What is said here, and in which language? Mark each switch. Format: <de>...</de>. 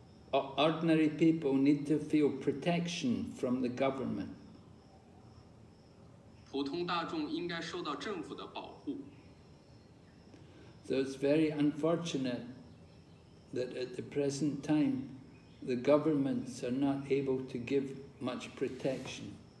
<en>Ordinary people need to feel protection from the government.</en> <zh>普通大众应该受到政府的保护。</zh> <en>So it's very unfortunate that at the present time, the governments are not able to give much protection.</en>